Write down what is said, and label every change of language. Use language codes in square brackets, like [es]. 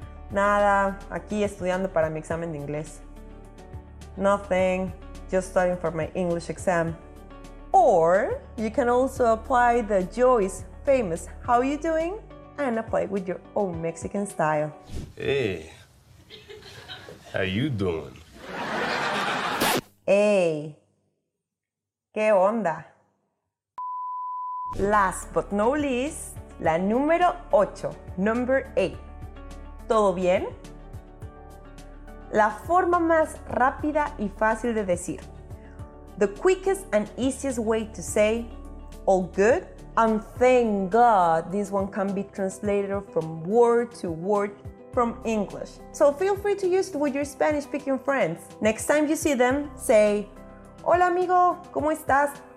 [es] Nada, aquí estudiando para mi examen de inglés. [en] Nothing, just studying for my English exam. Or you can also apply the Joyce famous how you doing and apply it with your own Mexican style. Hey, how you doing? Hey, ¿qué onda? Last but not least, la número 8, number 8. ¿Todo bien? [es] La forma más rápida y fácil de decir. [en] The quickest and easiest way to say all good. And thank God this one can be translated from word to word from English. So feel free to use it with your Spanish speaking friends. Next time you see them, say, hola amigo, ¿cómo estás?